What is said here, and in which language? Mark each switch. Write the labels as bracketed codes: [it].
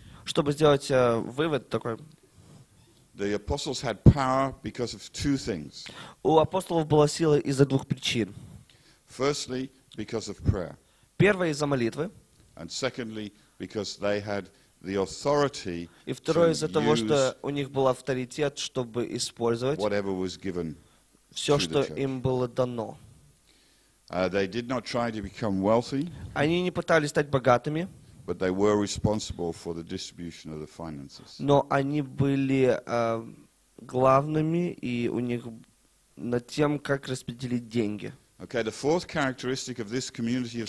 [ru] Чтобы сделать вывод такой. [en] The apostles had power because of two things. [ru] У апостолов была сила из-за двух причин. [en] Firstly, because of prayer. [ru] Первое из-за молитвы. [en] And secondly, because they had the authority. [ru] И второе из-за того, что у них был авторитет, чтобы использовать [en] whatever was given. [ru] Все, что им было дано. [en] They did not try to become wealthy. [ru] Они не пытались стать богатыми. [en] But they were responsible for the distribution of the finances. [ru] Но они были главными, и у них над тем, как распределить деньги. [en] Okay, the fourth characteristic of this community of